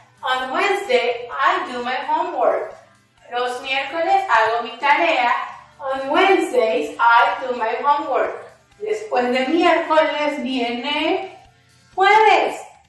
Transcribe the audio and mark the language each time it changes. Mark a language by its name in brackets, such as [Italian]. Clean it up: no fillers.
[English] On Wednesday, I do my homework. [Spanish] Los miércoles hago mi tarea. [English] On Wednesdays, I do my homework. [Spanish] Después de miércoles viene jueves.